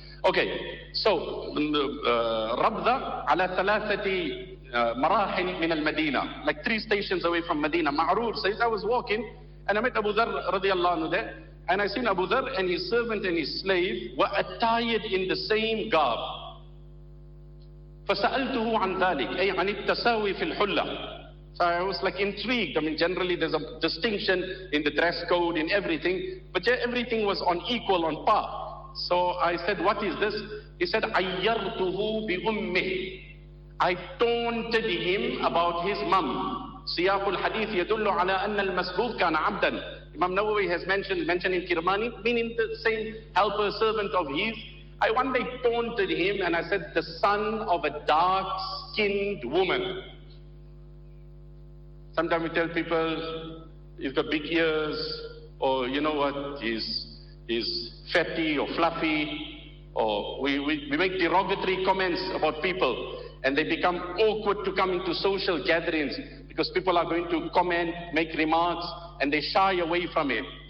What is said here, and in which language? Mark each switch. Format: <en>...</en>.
<en>Okay, so Rabda</en> <ar>على ثلاثة مراحل من المدينة,</ar> <en>like three stations away from Medina. Ma'rur says, I was walking and I met Abu Dharr</en> <ar>رضي الله عنه</ar> <en>there, and I seen Abu Dharr and his servant and his slave were attired in the same garb.</en> <ar>فسألته عن ذلك, أي عن التساوي في الحلة.</ar> <en>So I was like intrigued. I mean, generally there's a distinction in the dress code, in everything, but yeah, everything was on equal, on par. So I said, what is this? He said,</en> <ar>عَيَّرْتُهُ بِأُمِّهِ.</ar> <en>I taunted him about his mom.</en> <ar>سياق الحديث يدل على أن المسبوق كان عبدا.</ar> <en>Imam Nawawi has mentioned in Kirmani, meaning the same helper, servant of his. I one day taunted him and I said, the son of a dark-skinned woman. Sometimes we tell people, he's got big ears, or you know what, he's fatty or fluffy, or we make derogatory comments about people, and they become awkward to come into social gatherings, because people are going to comment, make remarks, and they shy away from it.</en>